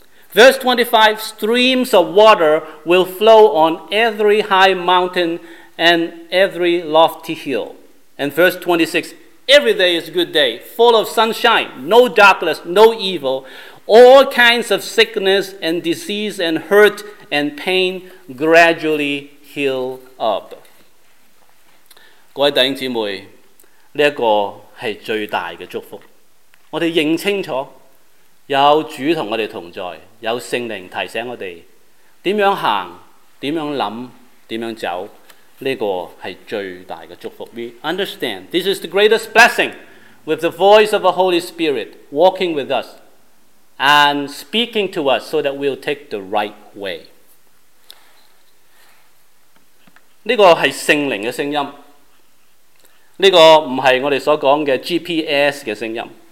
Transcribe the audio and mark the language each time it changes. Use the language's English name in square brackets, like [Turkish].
[English] Verse 25, streams of water will flow on every high mountain and every lofty hill. And verse 26, every day is a good day, full of sunshine, no darkness, no evil. All kinds of sickness and disease and hurt and pain gradually heal up. [Cantonese] 各位弟兄姊妹，这个是最大的祝福。我们认清楚，有主和我们同在，有圣灵提醒我们怎样行，怎样想，怎样走，这个是最大的祝福。 [English] We understand this is the greatest blessing with the voice of the Holy Spirit walking with us and speaking to us so that we'll take the right way. [Cantonese] 这个是圣灵的声音，这个不是我们所说的 GPS 的声音。